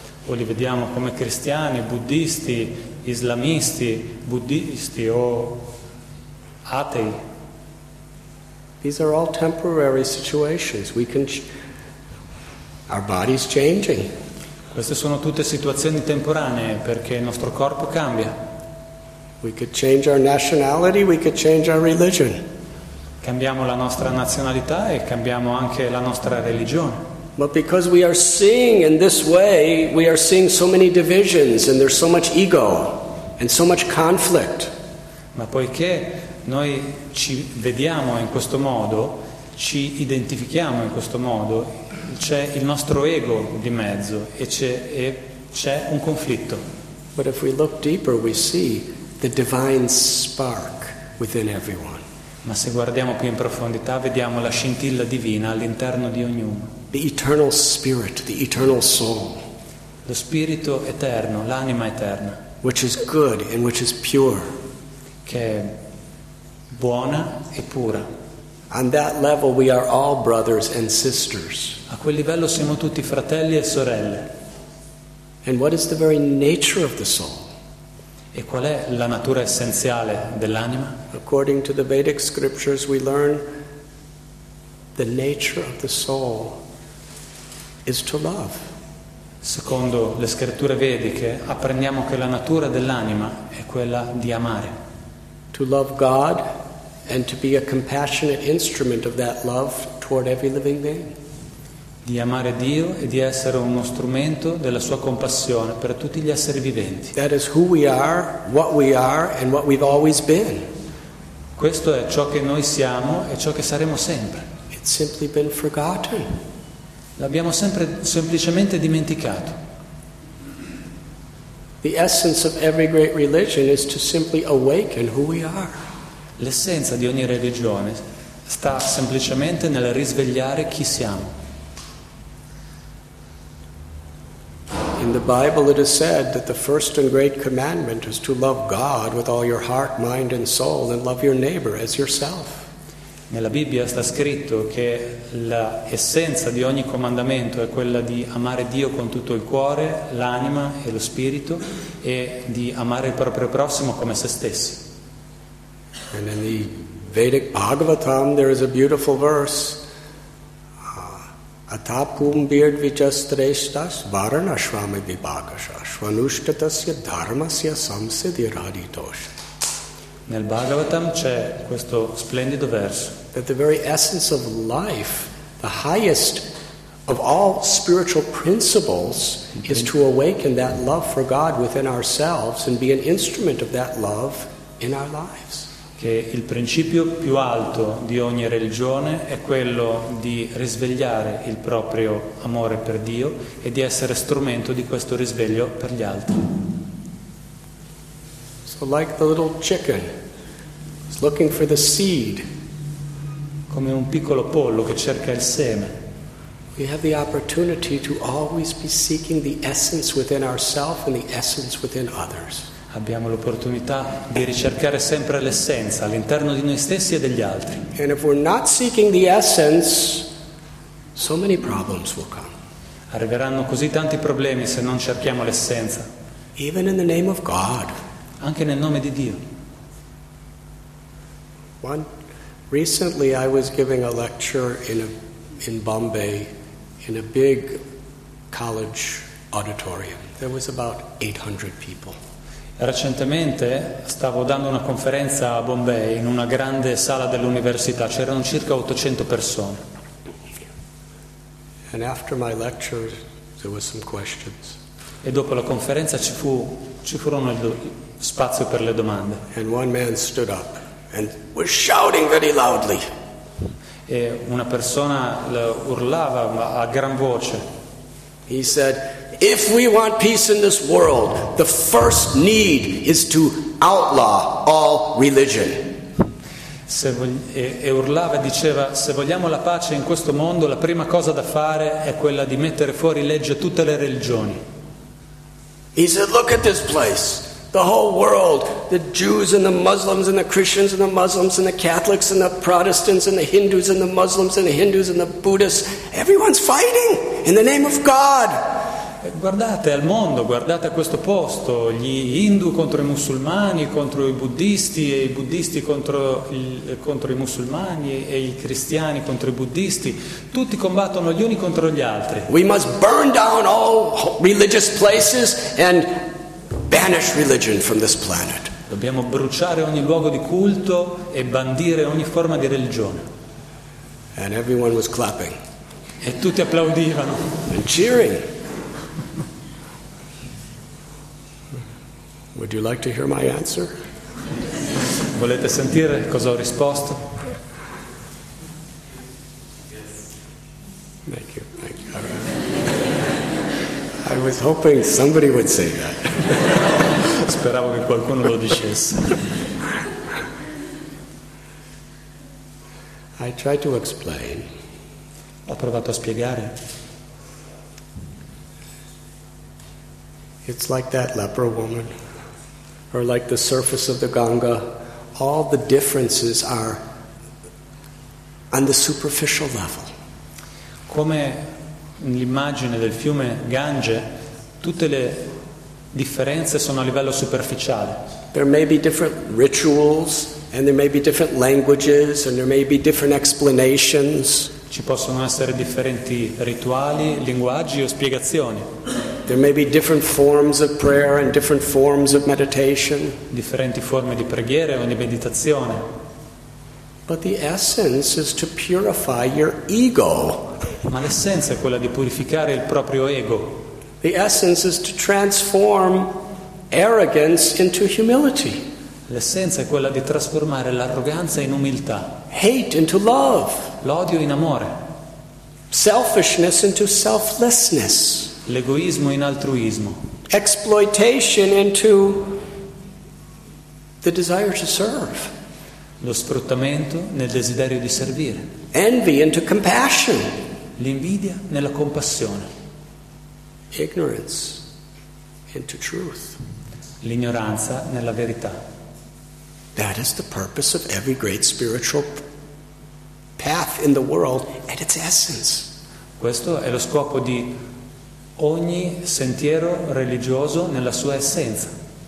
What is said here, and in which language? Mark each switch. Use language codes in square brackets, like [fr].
[it] O li vediamo come cristiani, buddhisti, islamisti, buddhisti o atei. [en] These are all temporary situations. Our body's changing. [it] Queste sono tutte situazioni temporanee perché il nostro corpo cambia. [en] We could change our nationality, we could change our religion. [it] Cambiamo la nostra nazionalità e cambiamo anche la nostra religione. [en] But because we are seeing in this way, we are seeing so many divisions and there's so much ego and so much conflict. [it] Ma poiché noi ci vediamo in questo modo, ci identifichiamo in questo modo, c'è il nostro ego di mezzo e c'è un conflitto. [en] But if we look deeper, we see the divine spark within everyone. [it] Ma se guardiamo più in profondità, vediamo la scintilla divina all'interno di ognuno. [en] The eternal spirit, the eternal soul. [it] Lo spirito eterno, l'anima eterna. [en] Which is good and which is pure. [it] Che è buona e pura. [en] On that level we are all brothers and sisters. [it] A quel livello siamo tutti fratelli e sorelle. [en] And what is the very nature of the soul? [it] E qual è la natura essenziale dell'anima? [en] According to the Vedic scriptures, we learn the nature of the soul is to love. [it] Secondo le scritture vediche, apprendiamo che la natura dell'anima è quella di amare. [en] To love God and to be a compassionate instrument of that love toward every living being. [it] Di amare Dio e di essere uno strumento della sua compassione per tutti gli esseri viventi. [en] That is who we are, what we are, and what we've always been. [it] Questo è ciò che noi siamo e ciò che saremo sempre. [en] It's simply been forgotten. [it] L'abbiamo sempre semplicemente dimenticato. [en] The essence of every great religion is to simply awaken who we are. [it] L'essenza di ogni religione sta semplicemente nel risvegliare chi siamo. [en] In the Bible it is said that the first and great commandment is to love God with all your heart, mind and soul and love your neighbor as yourself. [it] Nella Bibbia sta scritto che l'essenza di ogni comandamento è quella di amare Dio con tutto il cuore, l'anima e lo spirito e di amare il proprio prossimo come se stessi. [en] And in the Vedic Bhagavatam there is a beautiful verse. [sa] Atapum beard vichastreshtas varanashvami vibhagasha shvanushtatasya dharmasya samsidhi raditosh. [it] Nel Bhagavatam c'è questo splendido verso. [en] That the very essence of life, the highest of all spiritual principles, is to awaken that love for God within ourselves and be an instrument of that love in our lives. [it] Che il principio più alto di ogni religione è quello di risvegliare il proprio amore per Dio e di essere strumento di questo risveglio per gli altri. [en] So like the little chicken is looking for the seed. [it] Come un piccolo pollo che cerca il seme. [en] We have the opportunity to always be seeking the essence within ourselves and the essence within others. [it] Abbiamo l'opportunità di ricercare sempre l'essenza all'interno di noi stessi e degli altri. [en] And if we're not seeking the essence, so many problems will come. [it] Arriveranno così tanti problemi se non cerchiamo l'essenza. [en] Even in the name of God. [it] Anche nel nome di Dio. [en] Recently I was giving a lecture in Bombay in a big college auditorium. There was about 800 people. [it] Recentemente stavo dando una conferenza a Bombay in una grande sala dell'università. C'erano circa 800 persone. [en] And after my lecture there were some questions. [it] E dopo la conferenza ci furono spazio per le domande. [en] And one man stood up and was shouting very loudly. [it] E una persona urlava a gran voce. [en] He said, "If we want peace in this world, the first need is to outlaw all religion." [it] E urlava e diceva, "Se vogliamo la pace in questo mondo, la prima cosa da fare è quella di mettere fuori legge tutte le religioni." [en] He said, "Look at this place. The whole world, the Jews and the Muslims and the Christians and the Muslims and the Catholics and the Protestants and the Hindus and the Muslims and the Hindus and the Buddhists, everyone's fighting in the name of God." [it] Guardate al mondo, guardate a questo posto, gli Hindu contro i musulmani, contro i buddisti e i buddisti contro i musulmani e i cristiani contro i buddisti, tutti combattono gli uni contro gli altri. [en] We must burn down all religious places and banish religion from this planet. [it] Dobbiamo bruciare ogni luogo di culto e bandire ogni forma di religione. [en] And everyone was clapping. [it] E tutti applaudivano. [en] And cheering. Would you like to hear my answer? [it] Volete sentire cosa ho risposto? [en] Yes. Thank you. All right. I was hoping somebody would say that. [it] Speravo che qualcuno lo dicesse. [en] I tried to explain. [it] Ho provato a spiegare. [en] It's like that leper woman, or like the surface of the Ganga. All the differences are on the superficial level. [it] Come l'immagine del fiume Gange, tutte le differenze sono a livello superficiale. [en] There may be different rituals and there may be different languages and there may be different explanations. [it] Ci possono essere differenti rituali, linguaggi o spiegazioni. [en] There may be different forms of prayer and different forms of meditation. [it] Differenti forme di preghiera o di meditazione. [en] But the essence is to purify your ego. [it] Ma l'essenza è quella di purificare il proprio ego. [en] The essence is to transform arrogance into humility. [it] L'essenza è quella di trasformare l'arroganza in umiltà. [en] Hate into love. [it] L'odio in amore. [en] Selfishness into selflessness. [it] L'egoismo in altruismo. [en] Exploitation into the desire to serve. [it] Lo sfruttamento nel desiderio di servire. [en] Envy into compassion. [it] L'invidia nella compassione. [en] Ignorance into truth. [it] L'ignoranza nella verità. [en] That is the purpose of every great spiritual path in the world at its essence. [it] Questo è lo scopo di ogni sentiero religioso nella sua essenza.